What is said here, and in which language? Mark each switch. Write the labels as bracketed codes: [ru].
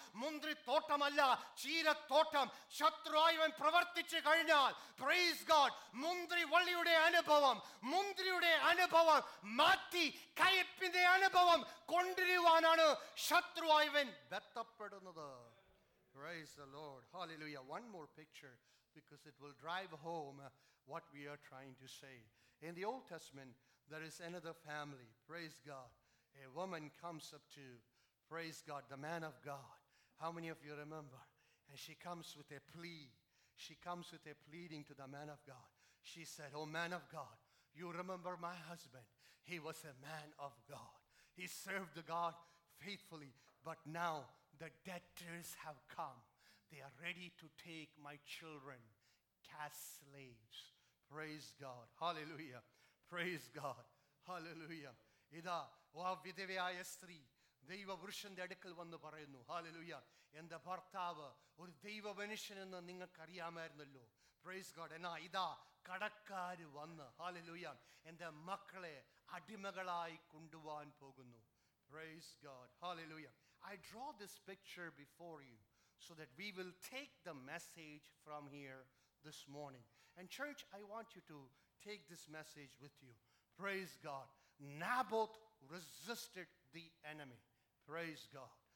[ml] മുന്തിരിത്തോട്ടമല്ല ചീരത്തോട്ടം. ശത്രുവായവൻ പ്രവർത്തിച്ചു കഴിഞ്ഞാൽ [en] praise God, [ml] മുന്തിരിവള്ളിയുടെ അനുഭവം, മുന്തിരിയുടെ അനുഭവം മാറ്റി കയ്പിന്റെ അനുഭവം കൊണ്ടുവരുവാനാണ് ശത്രുവായവൻ ബദ്ധപ്പെടുന്നത്. [en] Praise the Lord. Hallelujah. One more picture because it will drive home what we are trying to say. In the Old Testament, there is another family. Praise God. A woman comes up to, praise God, the man of God. How many of you remember? And she comes with a plea. She comes with a pleading to the man of God. She said, "Oh man of God, you remember my husband. He was a man of God. He served the God faithfully, but now the debtors have come. They are ready to take my children as slaves." Praise God. Hallelujah. Praise God. Hallelujah. [ml] Ida oa vidhevaya stree ദൈവപുരുഷന്റെ അടുക്കൽ വന്ന് പറയുന്നു, hallelujah, എന്റെ ഭർത്താവ് ഒരു ദൈവ മനുഷ്യനെന്ന് നിങ്ങൾക്കറിയാമായിരുന്നല്ലോ. [en] Praise God. [ml] എന്നാ ഇതാ കടക്കാർ വന്ന്, ഹാലലൂയ, എന്റെ മക്കളെ അടിമകളായി കൊണ്ടുപോവാൻ പോകുന്നു. [en] Praise God. Hallelujah. I draw this picture before you so that we will take the message from here this morning. And church, I want you to take this message with you. Praise God. Naboth resisted the enemy. Praise God.